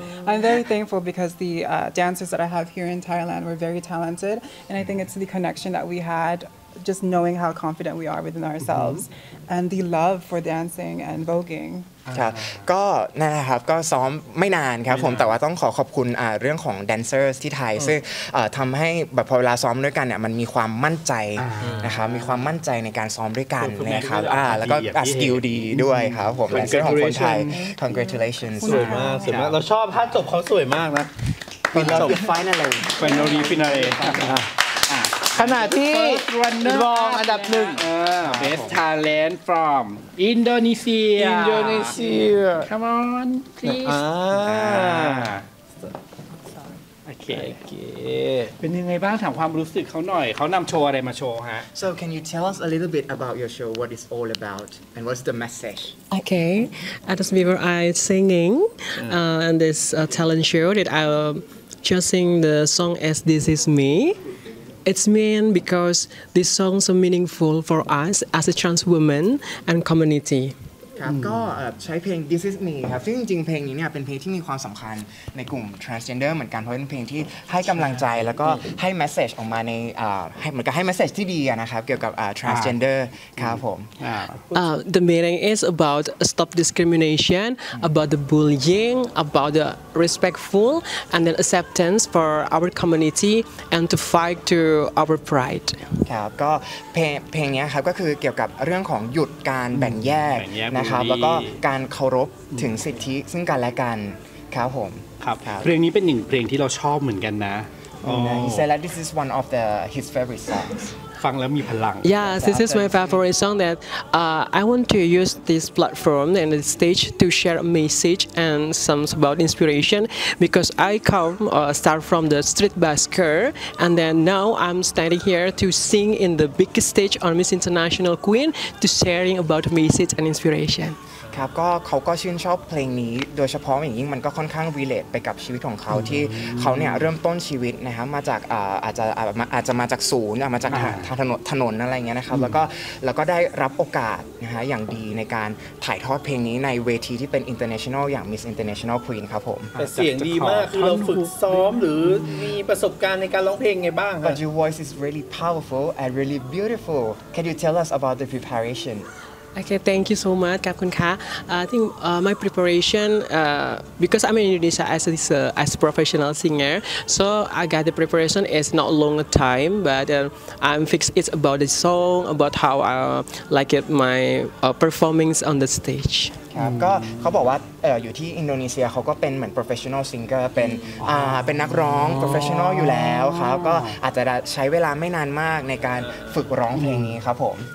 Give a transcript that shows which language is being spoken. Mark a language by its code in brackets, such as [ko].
[en] I'm very thankful because the dancers that I have here in Thailand were very talented, and I think it's the connection that we had just knowing how confident we are within ourselves and the love for dancing and voguing [th] ครับก็นะครับก็ซ้อมไม่นานครับผมแต่ว่าต้องขอขอบคุณเรื่องของแดนเซอร์ที่ไทยซึ่งทำให้แบบพอเวลาซ้อมด้วยกันเนี่ยมันมีความมั่นใจนะครับมีความมั่นใจในการซ้อมด้วยกันนะครับแล้วก็สกิลดีด้วยครับผมแดนเซอร์ของคนไทย congratulations สวยมากสวยมากเราชอบท่าจบเขาสวยมากนะ เป็นจบฟินาเล่ เป็นรีฟินาเล่ ขณะที่รองอันดับหนึ่ง [en] Best Talent from Indonesia Come on please [th] โอเคเป็นยังไงบ้างถามความรู้สึกเขาหน่อยเขานำโชว์อะไรมาโชว์ฮะ [en] So can you tell us a little bit about your show What it's all about and what's the message Okay at the Bieber I singing and this talent show that I just sing the song as This Is Me. It's mean because this song so meaningful for us as a trans woman and community. [th] ครับก็ใช้เพลง This Is Me ครับซึ่งจริงๆเพลงนี้เนี่ยเป็นเพลงที่มีความสำคัญในกลุ่ม transgender เหมือนกันเพราะเป็นเพลงที่ให้กำลังใจแล้วก็ให้ message ออกมาในให้เหมือนกับให้ message ที่ดีนะครับเกี่ยวกับ transgender ครับผม [en] The meaning is about stop discrimination, about the bullying, about the respectful and then acceptance for our community and to fight to our pride [th] ครับก็เพลงนี้ครับก็คือเกี่ยวกับเรื่องของหยุดการแบ่งแยกนะครับแล้วก็การเคารพถึงสิทธิซึ่งกันและกันครับผม ครับเพลงนี้เป็นหนึ่งเพลงที่เราชอบเหมือนกันนะ [en] He said that this is one of his favorite songs [th] ฟังแล้วมีพลัง [en] Yeah this is my favorite song that I want to use this platform and the stage to share a message and some about inspiration because I come start from the street busker and then now I'm standing here to sing in the biggest stage on Miss International Queen to sharing about message and inspiration [th] ครับก็เขาก็ชื่นชอบเพลงนี้โดยเฉพาะอย่างยิ่งมันก็ค่อนข้างรีเลทไปกับชีวิตของเขาที่เขาเนี่ยเริ่มต้นชีวิตนะครับมาจากอาจจะมาจากศูนย์มาจากทางถนนอะไรเงี้ยนะครับแล้วก็ได้รับโอกาสนะฮะอย่างดีในการถ่ายทอดเพลงนี้ในเวทีที่เป็น international อย่าง Miss International Queen ครับผม แต่เสียงดีมากคือเราฝึกซ้อมหรือมีประสบการณ์ในการร้องเพลงไงบ้างครับ [en] But your voice is really powerful and really beautiful Can you tell us about the preparation Okay, thank you so much, Kapun Ka. I think my preparation, because I'm in Indonesia as a professional singer, so I got the preparation is not long a time, but I'm fixed it's about the song, about how I like it, my performance on the stage. [th] ครับก็เขาบอกว่าอยู่ที่อินโดนีเซียเขาก็เป็นเหมือน professional singer เป็นนักร้อง professional อยู่แล้วครับก็อาจจะใช้เวลาไม่นานมากในการฝึกร้องเพลงนี้ครับผม